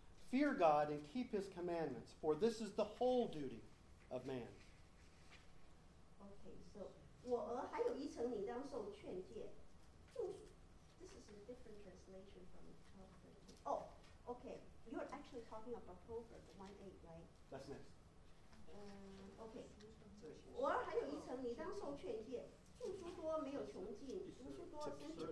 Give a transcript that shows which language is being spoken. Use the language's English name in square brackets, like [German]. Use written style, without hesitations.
[English] Fear God and keep his commandments, for this is the whole duty of man. [Chinese] Okay, so, 我儿还有一层你当受劝诫。 [English] This is a different translation from Proverbs. Oh, okay, you're actually talking about Proverbs 1:8, right? That's next. [Chinese] OK， 我还有一层，你当受劝诫，住处多没有穷尽，读书多增长。